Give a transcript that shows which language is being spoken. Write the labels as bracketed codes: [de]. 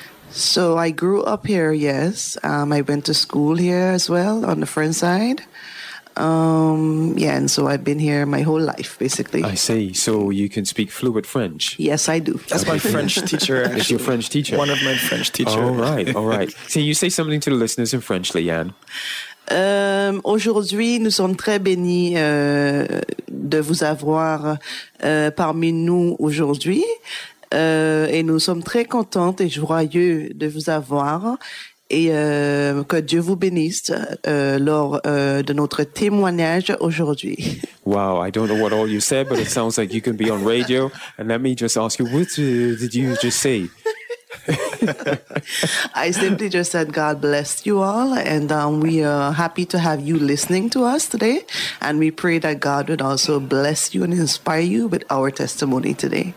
[en] So I grew up here, yes. I went to school here as well on the friend side. And so I've been here my whole life, basically. I see. So you can speak fluent French? Yes, I do. That's my French teacher, actually. It's your French teacher? One of my French teachers. All right, all right. So you say something to the listeners in French, Leanne. [fr] Aujourd'hui, nous sommes très bénis de vous avoir parmi nous aujourd'hui. Et nous sommes très contentes et joyeux de vous avoir et que Dieu vous bénisse lors de notre témoignage aujourd'hui. [en] Wow, I don't know what all you said, but it sounds like you can be on radio. And let me just ask you, what did you just say? I simply just said God bless you all, and we are happy to have you listening to us today, and we pray that God would also bless you and inspire you with our testimony today.